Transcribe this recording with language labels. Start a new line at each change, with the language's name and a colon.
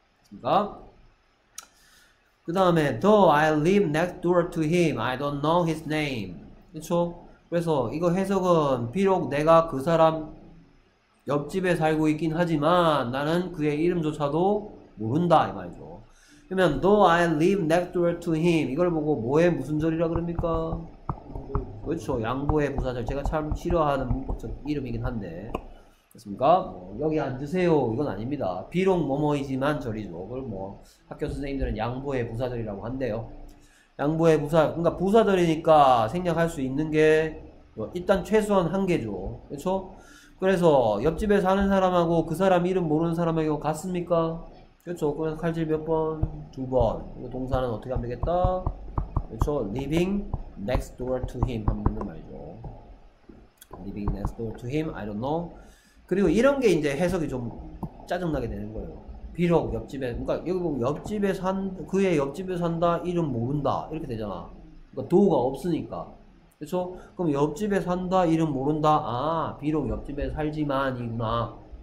Korean: 그니까 그 다음에
English: Though I live next door to him, I don't know his name.
Korean: 그쵸? 그래서 이거 해석은 비록 내가 그 사람 옆집에 살고 있긴 하지만 나는 그의 이름조차도 모른다 이 말이죠. 그러면
English: Though I live next door to him,
Korean: 이걸 보고 뭐에 무슨 절이라 그럽니까? 그렇죠. 양보의 부사절. 제가 참 싫어하는 문법적 이름이긴 한데. 그렇습니까? 뭐 여기 앉으세요. 이건 아닙니다. 비록 뭐뭐이지만 절이죠. 그걸 뭐 학교 선생님들은 양보의 부사절이라고 한대요. 양보의 부사절. 그러니까 부사절이니까 생략할 수 있는 게뭐 일단 최소한 한 개죠. 그렇죠? 그래서 옆집에 사는 사람하고 그 사람 이름 모르는 사람에게 갔습니까? 그렇죠. 그래서 칼질 몇 번? 두 번. 이거 동사는 어떻게 하면 되겠다?
English: 그렇죠. Living next door to him
Korean: 하면 되는 말이죠.
English: Living next door to him, I don't know.
Korean: 그리고 이런 게 이제 해석이 좀 짜증나게 되는 거예요. 비록 옆집에, 그러니까 여기 보면 옆집에 산, 그의 옆집에 산다, 이름 모른다 이렇게 되잖아. 그러니까 도가 없으니까. 그렇죠? 그럼 옆집에 산다, 이름 모른다. 아, 비록 옆집에 살지만이구나.